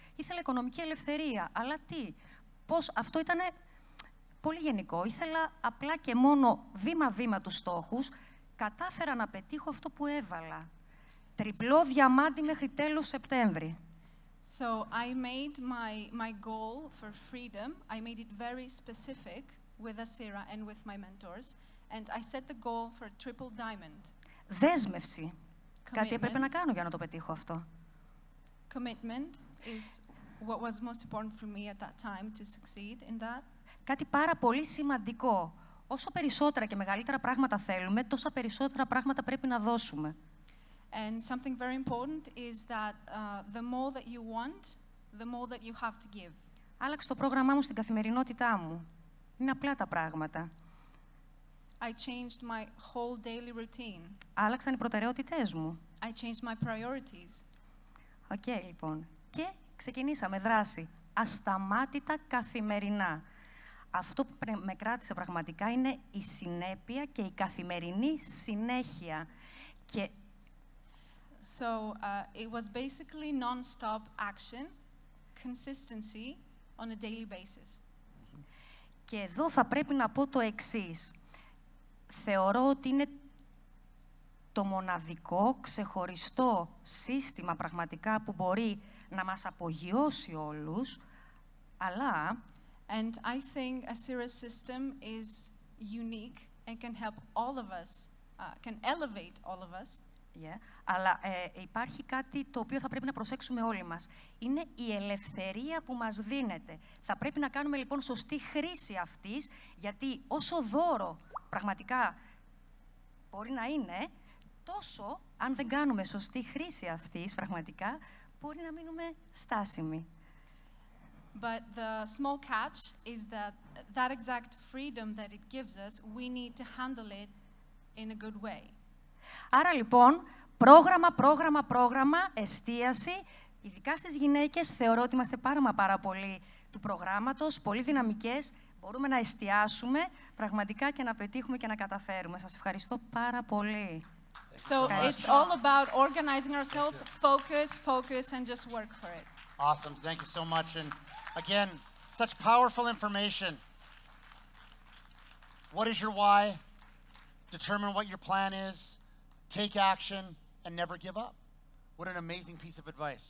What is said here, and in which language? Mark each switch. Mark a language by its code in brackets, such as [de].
[el] Ήθελα οικονομική ελευθερία, αλλά τι, πώς, αυτό ήταν πολύ γενικό. Ήθελα απλά και μόνο βήμα-βήμα τους στόχους. Κατάφερα να πετύχω αυτό που έβαλα. Τριπλό διαμάντι μέχρι τέλος Σεπτέμβρη. [en] So I made my goal for freedom. I made it very specific with ASCIRA and with my mentors. And I set the goal for a triple diamond. [el] Δέσμευση. [en] Commitment. [el] Κάτι έπρεπε να κάνω για να το πετύχω αυτό. [en] Commitment is what was most important for me at that time to succeed in that. [el] Κάτι πάρα πολύ σημαντικό. Όσο περισσότερα και μεγαλύτερα πράγματα θέλουμε, τόσα περισσότερα πράγματα πρέπει να δώσουμε. [en] And something very important is that the more that you want, the more that you have to give. [el] Άλλαξε το πρόγραμμά μου στην καθημερινότητά μου. Είναι απλά τα πράγματα. [en] I changed my whole daily routine. [el] Άλλαξαν οι προτεραιότητές μου. [en] I changed my priorities. [el] Okay, λοιπόν. Και ξεκινήσαμε δράση. Ασταμάτητα καθημερινά. Αυτό που με κράτησε πραγματικά είναι η συνέπεια και η καθημερινή συνέχεια. Και [en] so, it was basically non-stop action, consistency on a daily basis. [el] Και εδώ θα πρέπει να πω το εξής. Θεωρώ ότι είναι το μοναδικό, ξεχωριστό σύστημα πραγματικά που μπορεί να μας απογειώσει όλους, αλλά [en] and I think a serious system is unique and can help all of us, can elevate all of us. Yeah. [el] Αλλά υπάρχει κάτι το οποίο θα πρέπει να προσέξουμε όλοι μας. Είναι η ελευθερία που μας δίνεται. Θα πρέπει να κάνουμε λοιπόν σωστή χρήση αυτής, γιατί όσο δώρο πραγματικά μπορεί να είναι, τόσο αν δεν κάνουμε σωστή χρήση αυτής πραγματικά, μπορεί να μείνουμε στάσιμοι. [en] But the small catch is that that exact freedom that it gives us, we need to handle it in a good way. [el] Άρα λοιπόν, πρόγραμμα, εστίαση, ειδικά στις γυναίκες, θεωρώ ότι είμαστε πάρα πολύ του προγράμματος, πολύ δυναμικές, μπορούμε να εστιάσουμε πραγματικά και να πετύχουμε και να καταφέρουμε. Σας ευχαριστώ πάρα πολύ. [en] So it's all about organizing ourselves, focus and just work for it. Awesome. Thank you so much. And again, such powerful information. What is your why? Determine what your plan is. Take action and never give up. What an amazing piece of advice.